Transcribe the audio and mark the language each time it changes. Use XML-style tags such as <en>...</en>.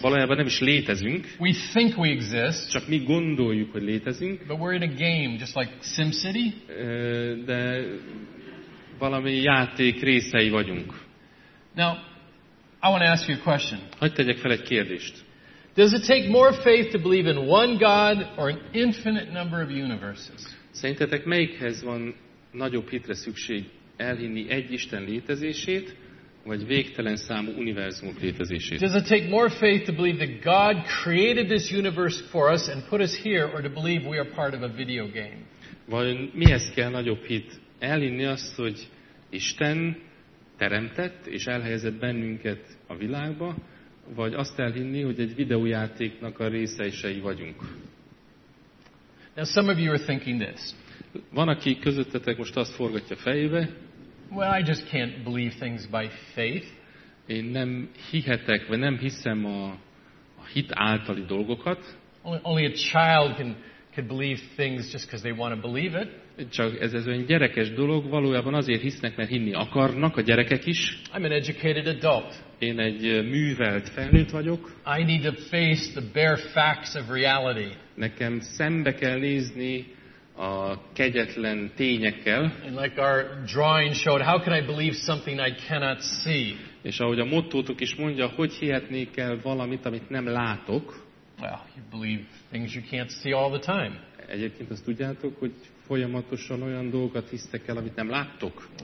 <hu>Valójában nem is létezünk.</hu> <en>We think we exist.</en> <hu>Csak mi gondoljuk, hogy létezünk.</hu> <en>But we're in a game, just like SimCity.</en> <hu>De valami játék részei vagyunk.</hu> <en>Now, I want to ask you a question.</en> <hu>Hogy tegyek fel egy kérdést?</hu> <en>Does it take more faith to believe in one God or an infinite number of universes?</en> <hu>Szerintetek melyikhez van nagyobb hitre szükség, elhinni egy Isten létezését, vagy végtelen számú univerzumok létezését?</hu> <en>Does it take more faith to believe that God created this universe for us and put us here, or to believe we are part of a video game?</en> <hu>Vajon mihez kell nagyobb hit? Elhinni azt, hogy Isten teremtett és elhelyezett bennünket a világba, vagy azt elhinni, hogy egy videójátéknak a részei vagyunk.</hu> <en>Now some of you are thinking this.</en> <hu>Van, aki közöttetek most azt forgatja fejébe.</hu> <en>Well, I just can't believe things by faith.</en> <hu>Én nem hihetek, vagy nem hiszem a hit általi dolgokat.</hu> <en>Only a child can believe things just because they want to believe it.</en> <hu>Csak ez olyan gyerekes dolog, valójában azért hisznek, mert hinni akarnak a gyerekek is.</hu> <en>I'm an educated adult.</en> <hu>Én egy művelt felnőtt vagyok.</hu> <en>I need to face the bare facts of reality.</en> <hu>Nekem szembe kell nézni a kegyetlen tényekkel.</hu> <en>And like our drawing showed, how can I believe something I cannot see?</en> <hu>És ahogy a mottótok is mondja, hogy hihetnék el valamit, amit nem látok.</hu> <en>Well, you believe things you can't see all the time.</en> <hu>Egyébként azt tudjátok, hogy folyamatosan olyan dolgokat hisztek el, amit nem láttok.</hu>